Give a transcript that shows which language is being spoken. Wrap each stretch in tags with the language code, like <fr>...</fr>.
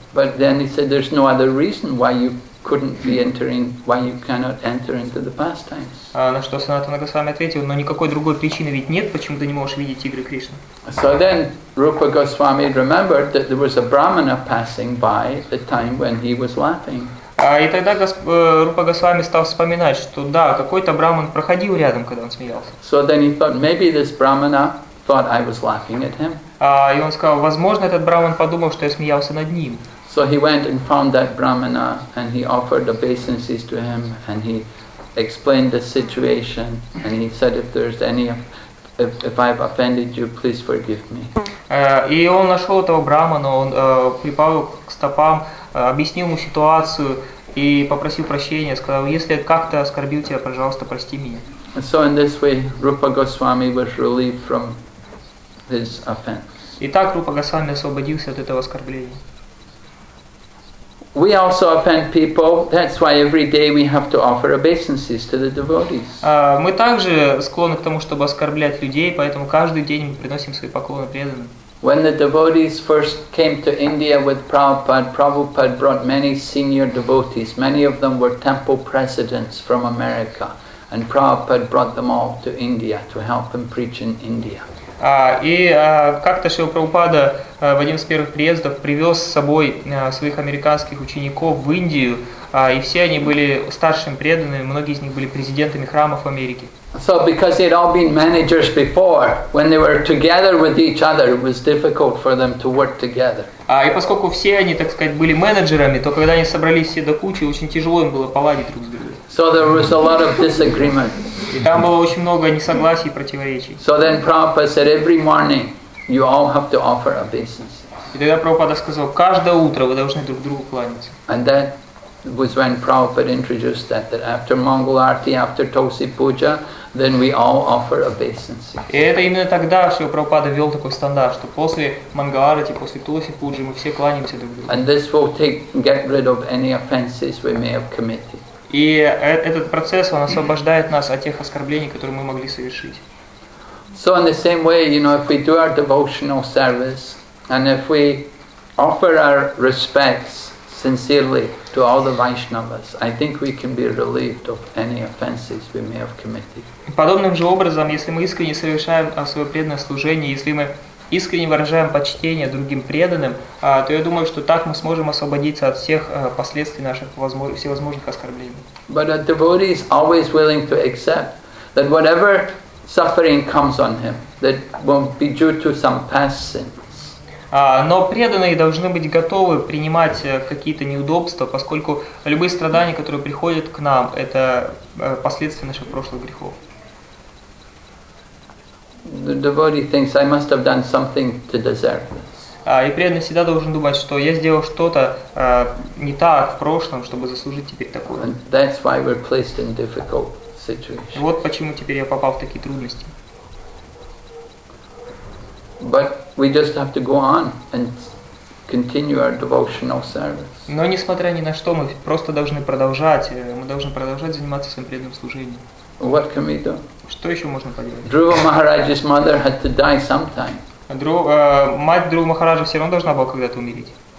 <en>But then he said, there's no other reason why you couldn't be entering, why you cannot enter into the pastimes.</en> <ru>На что Санатана Госвами ответил, но никакой другой причины ведь нет, почему ты не можешь видеть игры Кришны.</ru> <en>So then Rupa Goswami remembered that there was a Brahmana passing by at the time when he was laughing.</en> <ru>И тогда Рупа Госвами стал вспоминать, что да, какой-то Брахман проходил рядом, когда он смеялся.</ru> <en>So then he thought, maybe this Brahmana thought I was laughing at him.</en> <ru>И он сказал, возможно, этот Брахман подумал, что я смеялся над ним.</ru> <en>So he went and found that Brahmana, and he offered obeisances to him, and he explained the situation, and he said, if there's any, if I've offended you, please forgive me.</en> <ru>И он нашел этого Брахмана, он припал к стопам, объяснил ему ситуацию и попросил прощения, сказал, если я как-то оскорбил тебя, пожалуйста, прости меня.</ru> <en>So in this way, Rupa Goswami was relieved from his offense.</en> <ru>И так Рупа Госвами освободился от этого оскорбления.</ru> <en>We also offend people. That's why every day we have to offer obeisances to the devotees.</en> <ru>Мы также склонны к тому, чтобы оскорблять людей, поэтому каждый день мы приносим свои поклоны преданным.</ru> <en>When the devotees first came to India with Prabhupada, Prabhupada brought many senior devotees. Many of them were temple presidents from America, and Prabhupada brought them all to India to help him preach in India.</en> <ru>Как-то Шрила Прабхупада в один из первых приездов привез с собой своих американских учеников в Индию, и все они были старшими преданными, многие из них были президентами храмов Америки.</ru> <en>So because they'd all been managers before, when they were together with each other, it was difficult for them to work together.</en> <ru>И поскольку все они, так сказать, были менеджерами, то когда они собрались все до кучи, очень тяжело им было поладить друг с другом.</ru> <en>So there was a lot of disagreement.</en> <ru>И там было очень много несогласий и противоречий.</ru> <en>So then Prabhupada said, every morning you all have to offer obeisance.</en> <ru>И тогда Прабхупада сказал, каждое утро вы должны друг другу кланяться.</ru> <en>And then was when Prabhupada introduced that after Mangal Arati, after Tosi Puja, then we all offer obeisance.</en> <ru>И это именно тогда, что Прабхупада ввел такой стандарт, что после Мангал Арати, после Тоси Пуджи мы все кланяемся друг другу.</ru> <en>And this will get rid of any offenses we may have committed.</en> <ru>И этот процесс, он освобождает нас от тех оскорблений, которые мы могли совершить.</ru> <en>So in the same way, you know, if we do our devotional service and if we offer our respects sincerely to all the Vaishnavas, I think we can be relieved of any offenses we may have committed.</en> <ru>Подобным же образом, если мы искренне совершаем свое преданное служение, если мы искренне выражаем почтение другим преданным, то я думаю, что так мы сможем освободиться от всех последствий наших всевозможных оскорблений.</ru> <en>But a devotee is always willing to accept that whatever suffering comes on him, that will be due to some past sin.</en> <ru>Но преданные должны быть готовы принимать какие-то неудобства, поскольку любые страдания, которые приходят к нам, это последствия наших прошлых грехов.</ru> <en>The devotee thinks I must have done something to deserve this.</en> <ru>И преданный всегда должен думать, что я сделал что-то не так в прошлом, чтобы заслужить теперь такое.</ru> <en>And that's why we're placed in difficult situations.</en> <ru>Вот почему теперь я попал в такие трудности.</ru> <en>But we just have to go on and continue our devotional service.</en> <ru>Но несмотря ни на что, мы просто должны продолжать. Мы должны продолжать заниматься своим преданным служением.</ru> <en>What can we do?</en> <ru>Что еще можно поделать?</ru> <en>Dhruva Maharaj's mother had to die sometime.</en> <ru>Мать Dhruva Maharaja все равно должна была когда-то умереть.</ru>